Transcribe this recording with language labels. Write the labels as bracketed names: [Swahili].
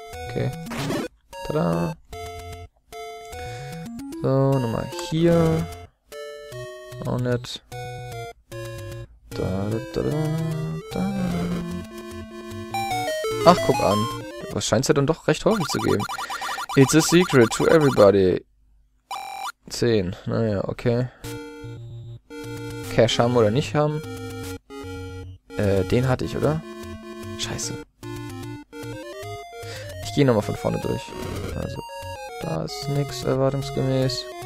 [German] Okay. Tada. So, nochmal hier. Auch nett. Da, da, da, da, da. Ach, guck an. Was scheint es ja dann doch recht häufig zu geben. [English] It's a secret to everybody. [German] 10. Naja, okay. Cash haben oder nicht haben. Den hatte ich, oder? Scheiße. Ich gehe nochmal von vorne durch. Also, da ist nichts erwartungsgemäß.